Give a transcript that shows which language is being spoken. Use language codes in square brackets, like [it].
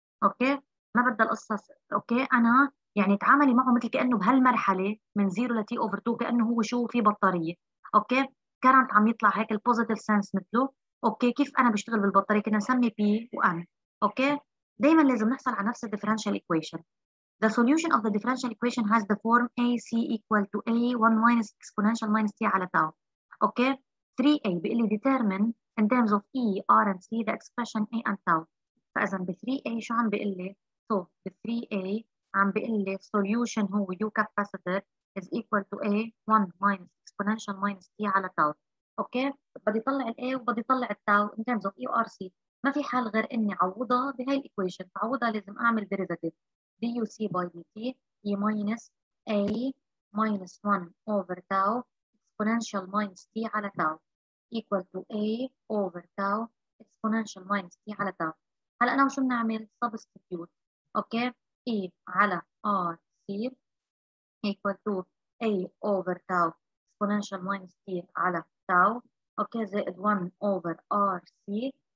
[ar] اوكي ما بدي القصص. اوكي انا يعني تعاملي معه مثل كانه بهالمرحله من 0 ل T over 2 كانه هو شو؟ في بطاريه. اوكي كرنت عم يطلع هيك البوزيتيف سنس مثله. اوكي كيف انا بشتغل بالبطاريه؟ كنا نسمي بي وان. اوكي دائما لازم نحصل على نفس الديفرنشال ايكويشن. [en] The solution of the differential equation has the form AC equal to A1 minus exponential minus T على tau. [ar] اوكي 3A بيقول لي [en] determine in terms of E, R, and C, the expression A and tau. [ar] فإذا ب3A شو عم بيقول لي؟ [en] So, ب3A عم بيقول لي solution هو U capacitor is equal to A1 minus exponential minus T على tau. [ar] Okay؟ بدي طلع الA وبدي طلع التاو [en] in terms of E, R, C. [ar] ما في حال غير إني عوضها بهاي الإيكويشن. عوضها لازم أعمل derivative. [en] DUC by DT E minus A minus 1 over tau exponential minus T على tau equal to A over tau exponential minus T على tau. [ar] هلأ أنا وشو بنعمل؟ substitute. أوكي okay. [en] A على RC equal to A over tau exponential minus T على tau. Okay okay. [ar] زائد 1 over RC.